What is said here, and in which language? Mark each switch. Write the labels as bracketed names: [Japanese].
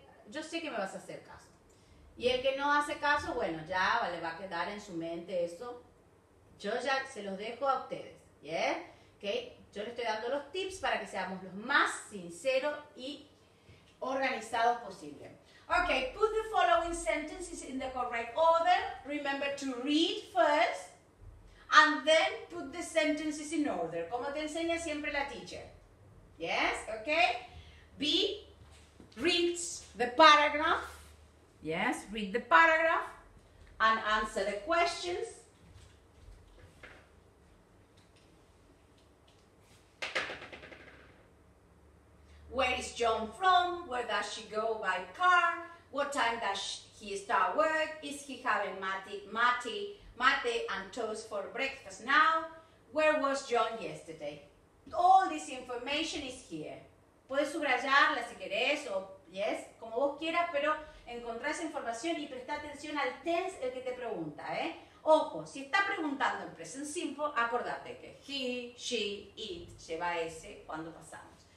[Spanish] Yo sé que me vas a hacer caso. Y el que no hace caso, bueno, ya le va a quedar en su mente eso. Yo ya se los dejo a ustedes. ¿Yes? ¿Ok? Yo les estoy dando los tips para que seamos los más sinceros y organizados posible. [English] Ok, put the following sentences in the correct order. Remember to read first and then put the sentences in order. [Spanish] Como te enseña siempre la teacher. Yes, ok. B, read the paragraph. [English] Yes, read the paragraph and answer the questions. Where is John from? Where does she go by car? What time does he start work? Is he having mate and toast for breakfast now? Where was John yesterday? All this information is here. [Spanish] Puedes subrayarla si querés o yes, como vos quieras, pero encontrás información. situación y presta atención al tense, el que te pregunta, ¿eh? Ojo, si está preguntando en present simple, acordate que he, she, it lleva ese cuando pasamos.